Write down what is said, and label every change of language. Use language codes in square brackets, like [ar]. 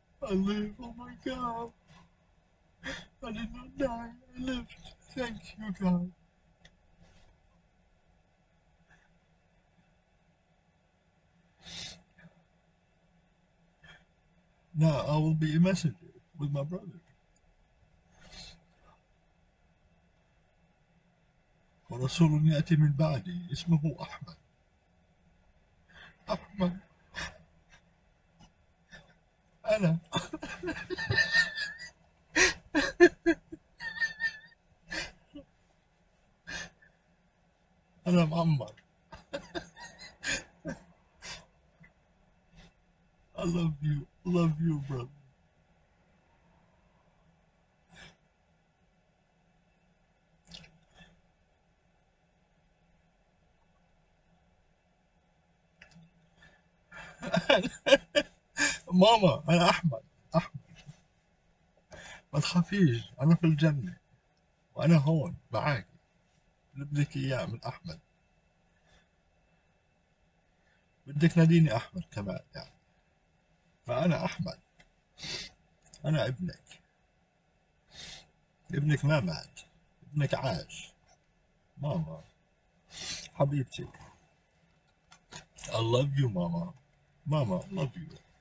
[en] Live, oh my God. I did not die. I lived. Thank you, God. Now I will be a messenger with my brother. [ar] ورسول يأتي من بعدي اسمه أحمد. أحمد أنا أنا معمر [en] I love you brother [ar] ماما انا احمد احمد، ما تخافيش انا في الجنة وانا هون معاك، اللي بدك اياه من احمد. بدك ناديني احمد كمان يعني، فانا احمد، انا ابنك، ابنك ما مات، ابنك عاش. ماما حبيبتي [en] I love you [ar] ماما، ماما [en] I love you.